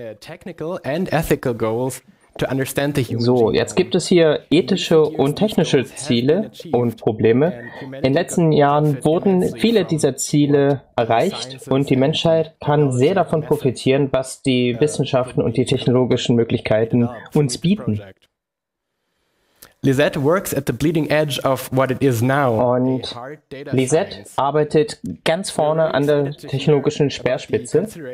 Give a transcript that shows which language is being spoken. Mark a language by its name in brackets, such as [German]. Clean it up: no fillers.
[English] Technical and ethical goals to understand the human [German] so, jetzt gibt es hier ethische und technische Ziele und Probleme. In den letzten Jahren wurden viele dieser Ziele erreicht und die Menschheit kann sehr davon profitieren, was die Wissenschaften und die technologischen Möglichkeiten uns bieten. [English] Lisette works at the bleeding edge of what it is now. [German] Und Lisette arbeitet ganz vorne an der technologischen Speerspitze.